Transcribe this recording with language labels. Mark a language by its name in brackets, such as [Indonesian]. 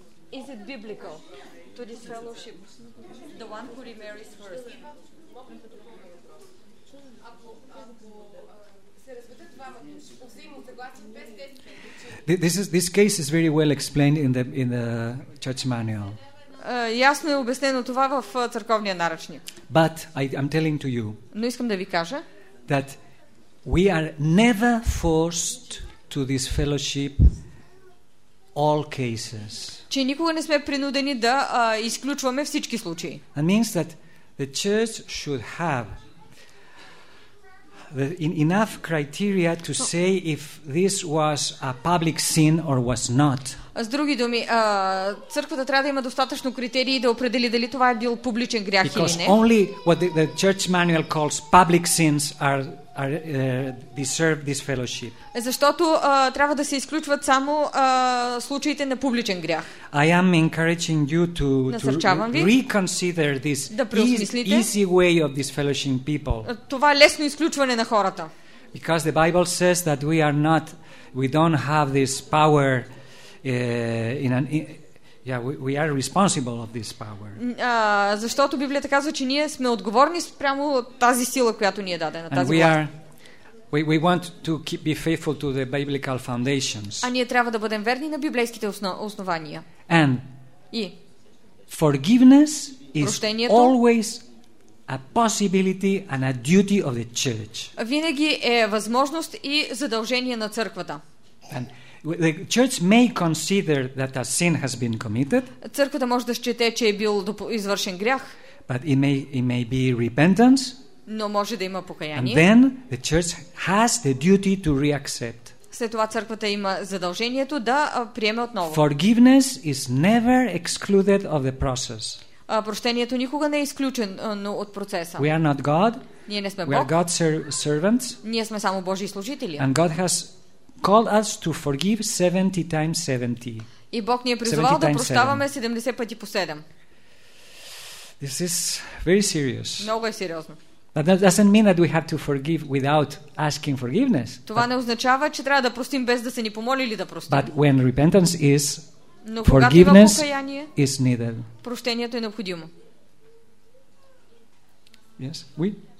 [English] Is it biblical to disfellowship the one who remarries first? This case is very well explained in the church manual. [Bulgarian] Ясно е обяснено това в църковния наръчник. [English] But I'm telling to you. [Bulgarian] Но искам да ви кажа. [English] That we are never forced to this fellowship all cases. [Bulgarian] Че никога не сме принудени да изключваме всички случаи. [English] That means that the church should have enough criteria to say if this was a public sin or was not. [Bulgarian] С други думи, църквата трябва да има достатъчно критерии да определи дали това е бил публичен грях или не. [English] Because only what the church manual calls public sins are deserve this fellowship. [Bulgarian] Защото трябва да се изключват само случаите на публичен грях. [English] I am encouraging you to reconsider this easy way of this fellowshiping people. [Bulgarian] Това лесно изключване на хората. [English] Because the Bible says that we don't have this power. We are responsible of this power. [Bulgarian] Защото Библията казва, че ние сме отговорни спрямо тази сила, която ни е дадена, тази власт. [English] We want to keep be faithful to the biblical foundations. [Bulgarian] А ние трябва да бъдем верни на библейските основания. [English] And [Bulgarian] и [English] forgiveness is always a possibility and a duty of the church. [Bulgarian] Винаги е възможност и задължение на църквата. [English] And the church may consider that a sin has been committed. [Bulgarian] Църквата може да счете, че е бил извършен грях. [English] But it may be repentance. [Bulgarian] Но може да има покаяние. [English] And then the church has the duty to reaccept. [Bulgarian] След това църквата има задължението да приеме отново. [English] Forgiveness is never excluded of the process. [Bulgarian] Прощението никога не е изключено от процеса. [English] We are not God. [Bulgarian] Ние не сме Бог. [English] We are God's servants. [Bulgarian] Ние сме само Божии служители. [English] And God has called us to forgive 70 times 70. [Bulgarian] И Бог ни е призвал да прощаваме 70 пъти по 7. [English] This is very serious. [Bulgarian] Много е сериозно. [English] But that doesn't mean that we have to forgive without asking forgiveness. [Bulgarian] Това не означава, че трябва да простим без да се ни помолили да простим. [English] But when repentance is, [Bulgarian] но [English] forgiveness is needed. [Bulgarian] Прощението е необходимо. [English] Yes, we.